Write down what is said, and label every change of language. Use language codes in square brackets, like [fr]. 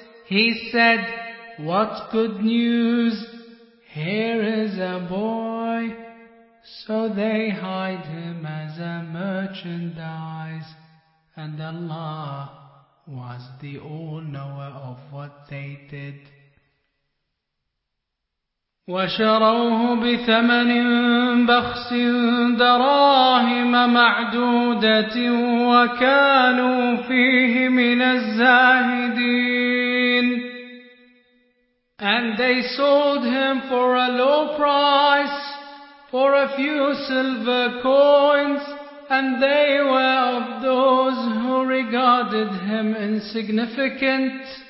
[en] He said, "What good news? Here is a boy." So they hide him as a merchandise, and Allah was the all-knower of what they did. [ar] وشروه بثمن بخس دراهم معدودة وكانوا فيه من الزاهدين. [en] And they sold him for a low price, for a few silver coins, and they were of those who regarded him insignificant.